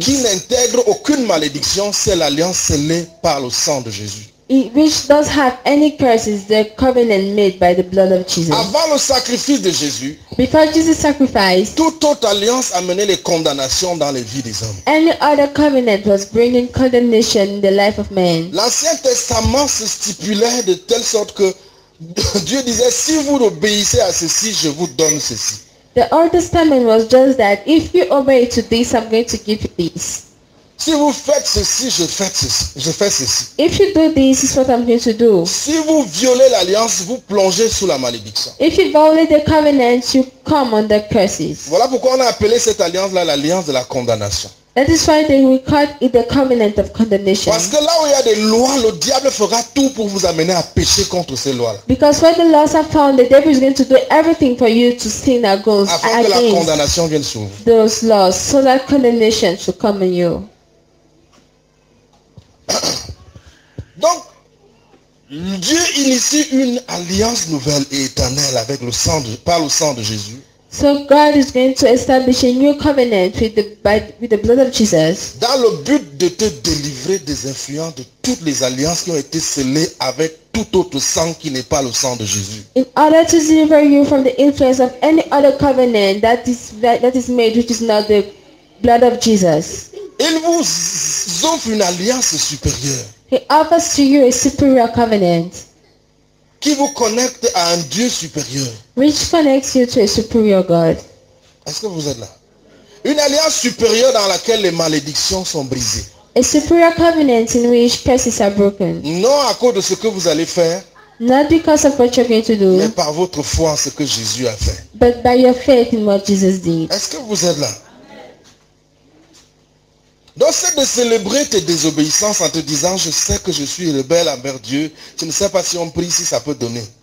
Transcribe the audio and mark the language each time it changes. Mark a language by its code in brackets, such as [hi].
[fr] Qui n'intègre aucune malédiction, c'est l'alliance scellée par le sang de Jésus. [en] Which does have any curses, the covenant made by the blood of Jesus. [fr] Avant le sacrifice de Jésus, [en] before Jesus sacrificed, [fr] toute autre alliance amenait les condamnations dans les vies des hommes. [en] Any other covenant was bringing condemnation in the life of man. [fr] L'Ancien Testament se stipulait de telle sorte que Dieu disait, si vous obéissez à ceci, je vous donne ceci. [en] The Old Testament was just that, if you obey to this, I'm going to give you this. [fr] Si vous faites ceci, je fais ceci. Je fais ceci. [en] If you do this, is what I'm going to do. [fr] Si vous violez l'alliance, vous plongez sous la malédiction. [en] If you violate the covenant, you come under curses. [fr] Voilà pourquoi on a appelé cette alliance-là l'alliance de la condamnation. [en] That is why they will call it the covenant of condemnation. [fr] Parce que là où il y a des lois, le diable fera tout pour vous amener à pécher contre ces lois-là. [en] Because where the laws are found, the devil is going to do everything for you to sin against. [fr] Afin que la condamnation vienne sur vous. [en] Those laws, so that condemnation should come on you. [fr] Donc, Dieu initie une alliance nouvelle et éternelle avec le sang de, par le sang de Jésus. [en] So God is going to establish a new covenant with the blood of Jesus. [fr] Dans le but de te délivrer des influences de toutes les alliances qui ont été scellées avec tout autre sang qui n'est pas le sang de Jésus. [en] In order to deliver you from the influence of any other covenant that is made which is not the blood of Jesus. [fr] Il vous offre une alliance supérieure. [en] He offers to you a superior covenant. [fr] Qui vous connecte à un Dieu supérieur. [en] Which connects you to a superior God. [fr] Est-ce que vous êtes là? Une alliance supérieure dans laquelle les malédictions sont brisées. [en] A superior covenant in which curses are broken. [fr] Non à cause de ce que vous allez faire. [en] Not because of what you're going to do. [fr] Mais par votre foi en ce que Jésus a fait. [en] But by your faith in what Jesus did. [fr] Est-ce que vous êtes là? Donc c'est de célébrer tes désobéissances en te disant je sais que je suis rebelle envers Dieu. Je ne sais pas si on prie si ça peut donner.